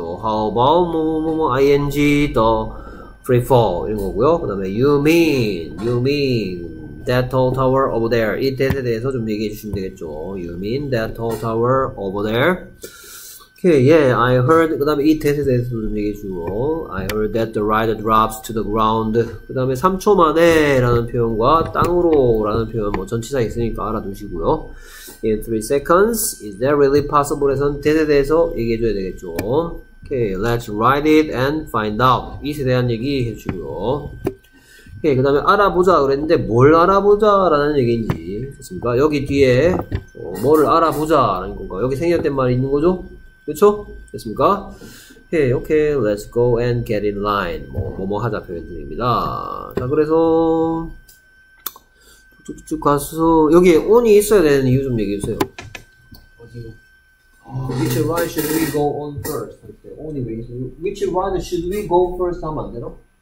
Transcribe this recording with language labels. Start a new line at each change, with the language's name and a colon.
English: How about 뭐뭐뭐뭐 ing the free fall
Korean: 이런 거고요. 그다음에
English: you mean that tall tower over there
Korean: 이 대에 대해서 좀 얘기해 주시면 되겠죠.
English: You mean that tall tower over there? Okay, yeah, I heard.
Korean: 그다음에 이 대에 대해서 좀 얘기해 주고.
English: I heard that the rider drops to the ground.
Korean: 그다음에 3초 만에라는 표현과 땅으로라는 표현 뭐 전치사 있으니까 알아두시고요.
English: In 3 seconds, is that really possible?
Korean: 에선 that에 대해서 얘기해 줘야 되겠죠.
English: Okay, let's write it and find out.
Korean: 이에 대한 얘기 해주고요. Okay, 그 다음에 알아보자 그랬는데 뭘 알아보자 라는 얘기인지 그렇습니까? 여기 뒤에 뭐를 알아보자 라는 건가? 여기 생략된 말이 있는 거죠? 그렇죠? 됐습니까?
English: Okay, okay, let's go and get in line.
Korean: 뭐뭐 하자 표현들입니다. 자, 그래서 쭉쭉 가서 여기 on이 있어야 되는 이유 좀 얘기해 주세요. 어디로?
English: Which ride should we go on first?
Korean: on이 왜 있어요?
English: Which ride should we go first?
Korean: 하면 안 되나?